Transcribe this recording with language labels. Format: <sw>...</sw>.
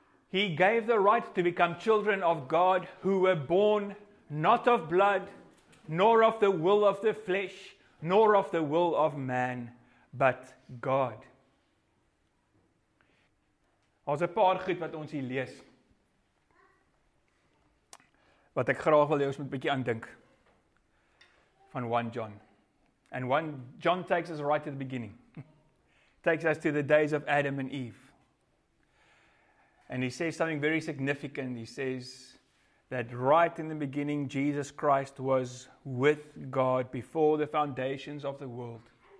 <en>He gave the right to become children of God, who were born not of blood, nor of the will of the flesh, nor of the will of man, but God.</en> <af>Daar's 'n paar goed wat ons hier lees, wat ek graag wil hê ons moet 'n bietjie aandink van 1 John.</af> <en>And 1 John takes us right to the beginning. Takes us to the days of Adam and Eve. And he says something very significant. He says that right in the beginning, Jesus Christ was with God before the foundations of the world.</en>